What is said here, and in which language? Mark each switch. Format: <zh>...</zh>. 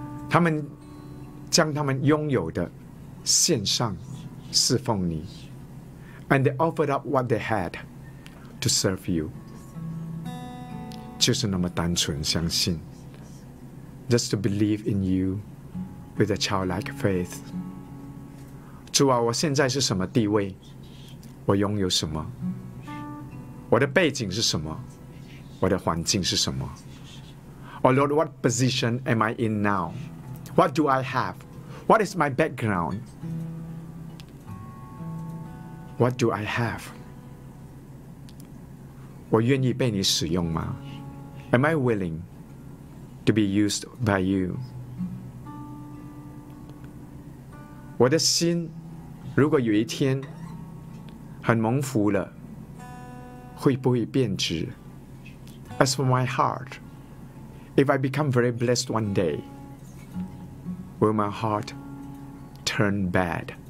<zh>他们将他们拥有的献上。侍奉你</zh> <en>and they offered up what they had to serve you.</en> <zh>就是那么单纯相信</zh> <en>just to believe in you with a childlike faith.</en> <zh>主啊，我现在是什么地位？我拥有什么？我的背景是什么？我的环境是什么？</zh> <en>Oh Lord, what position am I in now? What do I have? What is my background? What do I have?</en> <zh>我愿意被你使用吗？</zh> <en>Am I willing to be used by you?</en> <zh>我的心如果有一天很蒙福了，会不会变质？</zh> <en>As for my heart, if I become very blessed one day, will my heart turn bad?</en>